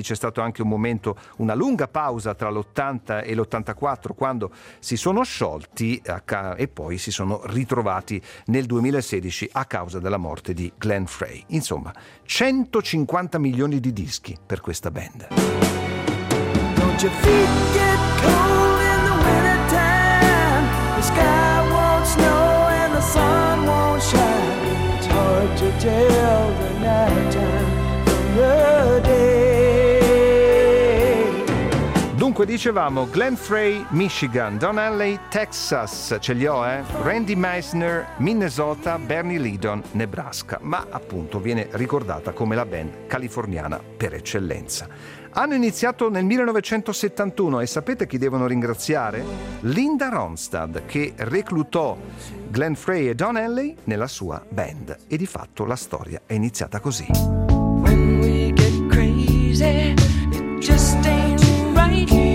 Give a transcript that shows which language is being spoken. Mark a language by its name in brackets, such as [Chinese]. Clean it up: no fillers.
[Italian] C'è stato anche un momento, una lunga pausa tra l'80 e l'84, quando si sono sciolti e poi si sono ritrovati nel 2016 a causa della morte di Glenn Frey. Insomma, 150 milioni di dischi per questa band. [English] Don't you feel get cold in the wintertime? The sky won't snow and the sun won't shine. To tell the night time from the day. [Italian] Dunque, dicevamo, Glenn Frey, Michigan, Don Henley, Texas, ce li ho, Randy Meisner, Minnesota, Bernie Leadon, Nebraska, ma appunto viene ricordata come la band californiana per eccellenza. Hanno iniziato nel 1971 e sapete chi devono ringraziare? Linda Ronstadt, che reclutò Glenn Frey e Don Henley nella sua band. E di fatto la storia è iniziata così. [English] When we get crazy, it just ain't right.